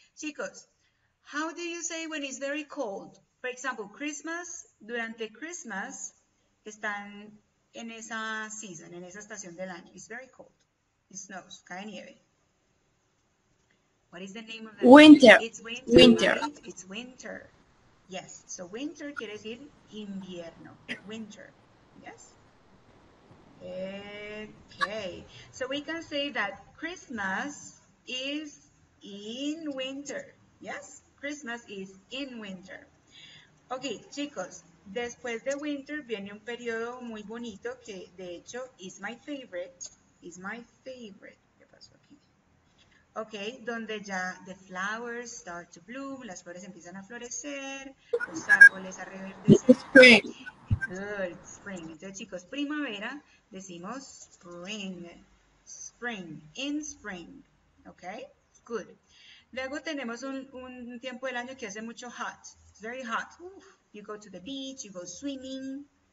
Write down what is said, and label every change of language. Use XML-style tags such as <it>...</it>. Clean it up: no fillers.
<en>Chicos, how do you say when it's very cold? For example,</en> <es>Christmas, durante Christmas, están en esa season, en esa estación del año.</es> <en>It's very cold. It snows,</en> <es>cae nieve.</es> <en>What is the name of the winter? It's winter. Winter. Right? It's winter. Yes. So winter</en> <es>quiere decir invierno.</es> <en>Winter. Yes. Okay. So we can say that Christmas is in winter. Yes. Christmas is in winter. Okay, chicos.</en> <es>Después de winter viene un periodo muy bonito que, de hecho,</es> <en>is my favorite. Is my favorite.</en> <es>Ok, donde ya</es> <en>the flowers start to bloom,</en> <es>las flores empiezan a florecer, los árboles a reverdecer.</es> <en>Spring. Good, spring.</en> <es>Entonces, chicos, primavera, decimos spring.</es> <en>Spring, in spring. Ok, good.</en> <es>Luego tenemos un tiempo del año que hace mucho hot.</es> <en>It's very hot. Oof. You go to the beach, you go swimming.</en>